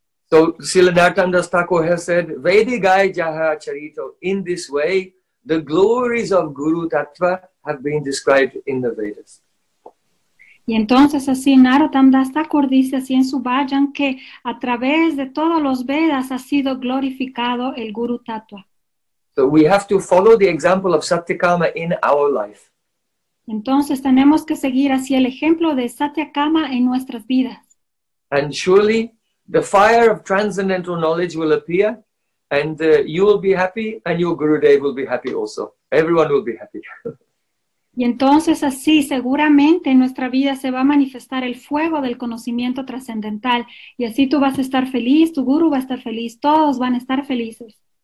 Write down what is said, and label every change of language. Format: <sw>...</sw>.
<en>So Srila Narottam Thakur has said, Vedigai Jaha Charito, in this way, the glories of Guru Tattva have been described in the Vedas.</en> <es>Y entonces así Narottam Thakur dice así en su Bhajan que a través de todos los Vedas ha sido glorificado el Guru Tattva.</es> <en>So we have to follow the example of Satyakama in our life.</en> <es>Entonces tenemos que seguir así el ejemplo de Satyakama en nuestras vidas.</es> <en>And surely the fire of transcendental knowledge will appear, and you will be happy, and your Gurudev will be happy also. Everyone will be happy.</en> <es>Y entonces así seguramente en nuestra vida se va a manifestar el fuego del conocimiento trascendental, y así tú vas a estar feliz, tu Guru va a estar feliz, todos van a estar felices.</es>